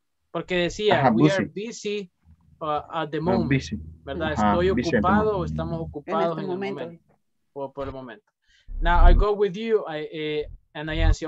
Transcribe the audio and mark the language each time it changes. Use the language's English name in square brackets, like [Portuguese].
[Spanish] Porque decía, ajá, [English] we are busy at the moment. [Spanish] Bici. ¿Verdad? Ajá, estoy ocupado o estamos ocupados en, este en momento. El momento. O por el momento. [English] Now, I go with you, and I answer.